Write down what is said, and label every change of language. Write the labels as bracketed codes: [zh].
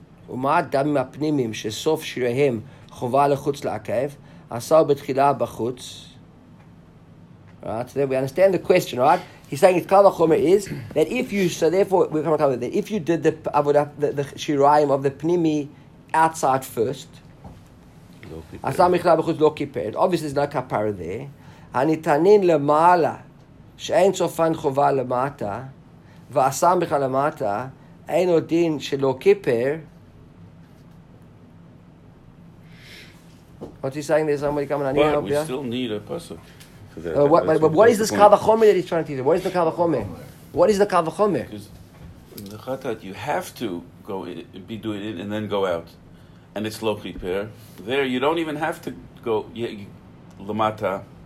[he] ומה דמים הפנימיים שסוף שיריהם חובה לחוץ לעקב, עשו בתחילה בחוץ. [en] Right, so we understand the question, right? He's saying it's kal vachomer is that if you, so therefore, we come to cover that if you did the avodah, the shirayim of the pnimi outside first, [he] עשו בתחילה בחוץ לא כיפר. [en] Obviously, there's no kapara there. [he] הניתנין למעלה, שאין סופן חובה למטה, ועשו בתחילה למטה, אין עוד דין שלא כיפר. [en] What's he saying? There's somebody coming. I need help. We yeah? still need a pasuk. What is this kavachomer that he's trying to teach? What is the kavachomer? What is the kavachomer? Because in the chatat, you have to go in, be doing it and then go out, and it's lo chiper. There, you don't even have to go lamata.